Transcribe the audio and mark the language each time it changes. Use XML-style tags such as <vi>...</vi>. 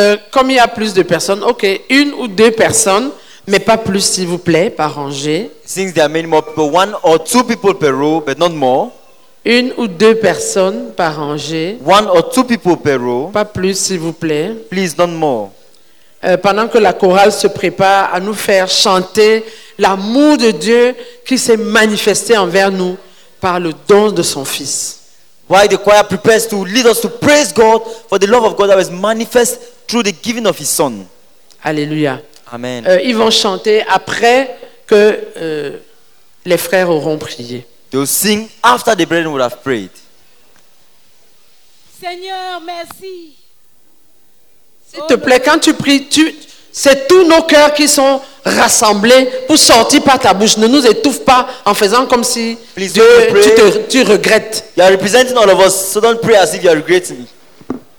<fr>Comme il y a plus de personnes, ok, une ou deux personnes, mais pas plus, s'il vous plaît, par rangée.</fr> <en>Since there are many more people, one or two people per row, but not more.</en> <fr>Une ou deux personnes par rangée.</fr> <en>One or two people per row.</en> <fr>Pas plus, s'il vous plaît.</fr> <en>Please, not more.</en> <fr>pendant que la chorale se prépare à nous faire chanter l'amour de Dieu qui s'est manifesté envers nous par le don de son Fils.</fr> <en>While the choir prepares to lead us to praise God for the love of God that was manifest through the giving of His Son.</en> <fr>Alléluia. Amen. Ils vont chanter après que les frères auront prié.</fr> <en>They'll sing after the brethren would have prayed.</en> <fr>Seigneur, merci. S'il te plaît, quand tu pries, c'est tous nos cœurs qui sont rassemblés pour sortir par ta bouche. Ne nous étouffe pas en faisant comme si</fr> <en>please,</en> <fr>Dieu, tu regrettes.</fr> <en>You are representing all of us, so don't pray as if you are regretting me.</en>